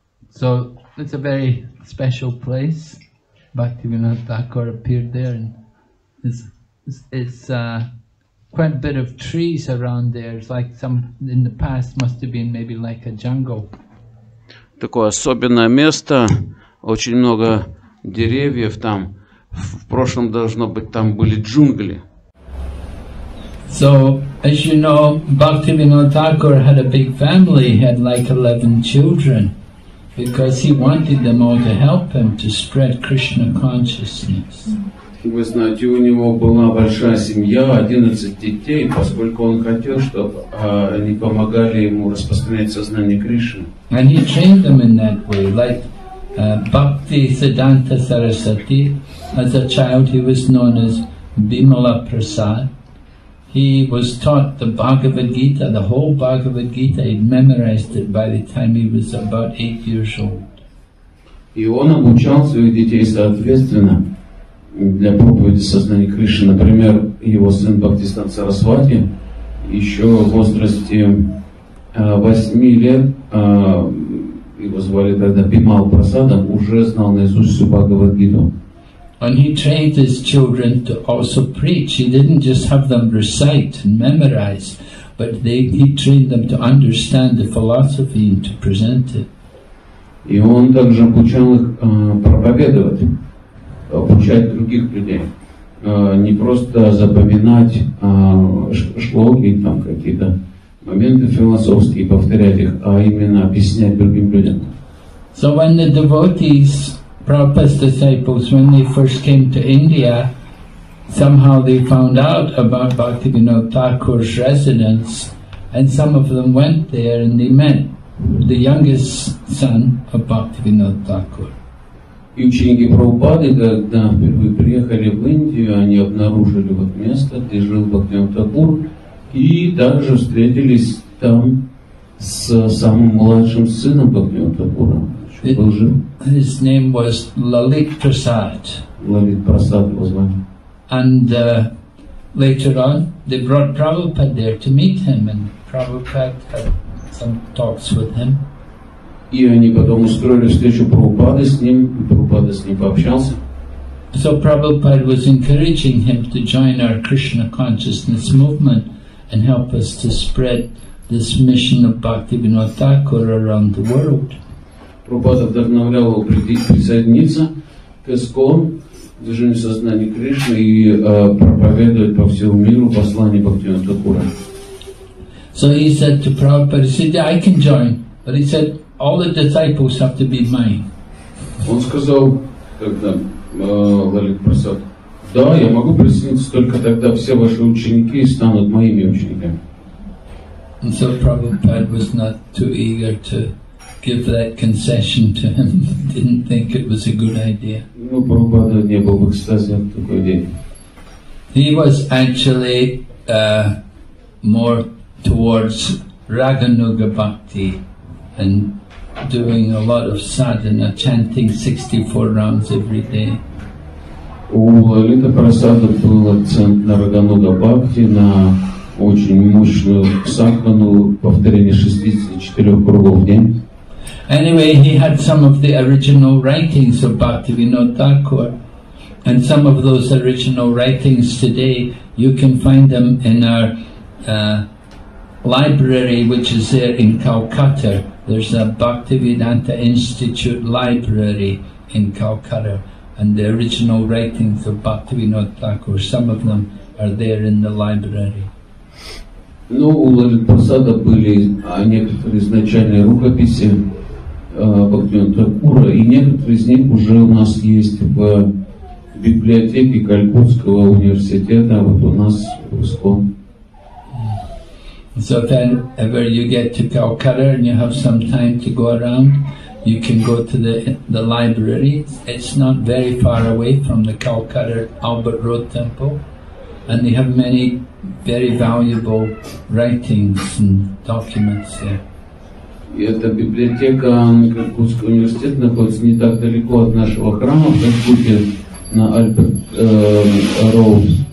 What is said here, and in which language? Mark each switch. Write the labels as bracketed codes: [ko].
[en] So it's a very special place. Bhaktivinoda Thakur appeared there, and it's quite a bit of trees around there. It's like some in the past must have been maybe like a jungle. [ru] Такое особенное место, очень много деревьев там. В прошлом должно быть там были джунгли. [en] So, as you know, Bhaktivinoda Thakur had a big family. He had like 11 children, because he wanted them all to help him to spread Krishna consciousness. [ru] Вы знаете, у него была большая семья, 11 детей, поскольку он хотел, чтобы они помогали ему распространять сознание Кришны. [en] And he trained them in that way, like Bhakti Siddhanta Sarasati. As a child, he was known as Bimala Prasad. He was taught the Bhagavad Gita, the whole Bhagavad Gita. He memorized it by the time he was about 8 years old. [ru] И он обучал своих детей соответственно для проповеди сознания Кришны. Например, его сын Бхактисиддханта Сарасвати еще в возрасте 8 лет, его звали тогда Бимал Прасадом, уже знал наизусть всю Бхагавад Гиту. [en] And he trained his children to also preach. He didn't just have them recite and memorize, but he trained them to understand the philosophy and to present it. [ru] И он также обучал их проповедовать, обучать других людей, не просто запоминать шлоки там какие-то моменты философские, повторять их, а именно объяснять другим людям. [en] So when the devotees, Prabhupada's disciples, when they first came to India, somehow they found out about Bhaktivinoda Thakur's residence, and some of them went there and they met the youngest son of Bhaktivinoda Thakur. [ru] И ученики Прабхупады, когда впервые приехали в Индию, они обнаружили вот место, где жил Бхактивинода Тхакур, и также встретились там с самым младшим сыном Бхактивинода Тхакура. [en] His name was Lalit Prasad. [ru] Lalit Prasad его звали. [en] And later on, they brought Prabhupada there to meet him, and Prabhupada had some talks with him. [ru] И они потом устроили встречу Прабхупады с ним, и Прабхупада с ним пообщался. [en] So Prabhupada was encouraging him to join our Krishna consciousness movement and help us to spread this mission of Bhaktivinoda Thakur around the world. [ru] Прабхупада вдохновлял его присоединиться к ИСККОН, движению сознания Кришны, и проповедовать по всему миру послание Бхактивинода Такура. [en] So he said to Prabhupada, he said, yeah, I can join. But he said, all the disciples have to be mine. [ru] Он сказал тогда, Лалит Прасад, да, я могу присоединиться, только тогда все ваши ученики станут моими учениками. [en] And so Prabhupada was not too eager to give that concession to him. Didn't think it was a good idea. [ru] Ну, Прабхупада не был в экстазе от такой идеи. [en] He was actually more towards Raganuga Bhakti and doing a lot of sadhana, chanting 64 rounds every day. [ru] У Лалита Прасада был акцент на Рагануга Бхакти, на очень мощную садхану, повторение 64 кругов в день. [en] Anyway, he had some of the original writings of Bhaktivinoda Thakur, and some of those original writings today, you can find them in our library, which is there in Calcutta. There's a Bhaktivedanta Institute library in Calcutta, and the original writings of Bhaktivinoda Thakur, some of them are there in the library. [ru] Ну, у Лалит Прасада были некоторые изначальные рукописи Бхактивинода Такура, и некоторые из них уже у нас есть в библиотеке Калькутского университета, вот у нас в ИСККОН. [en] So if ever you get to Calcutta and you have some time to go around, you can go to the library. It's not very far away from the Calcutta Albert Road Temple, and they have many very valuable writings and documents there. [ru] И эта библиотека Калькутского университета находится не так далеко от нашего храма в Калькутте на Альберт Роуд.